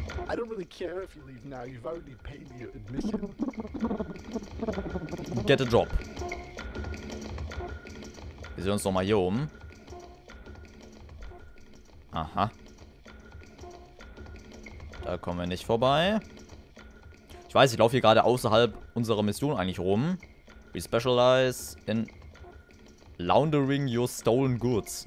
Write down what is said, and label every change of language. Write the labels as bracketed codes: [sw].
[en] I don't really care if you leave now. You've already paid me your admission. Get a job. [de] Wir sehen uns nochmal hier um. Aha. Da kommen wir nicht vorbei. Ich weiß, ich laufe hier gerade außerhalb unserer Mission eigentlich rum. [en] We specialize in laundering your stolen goods.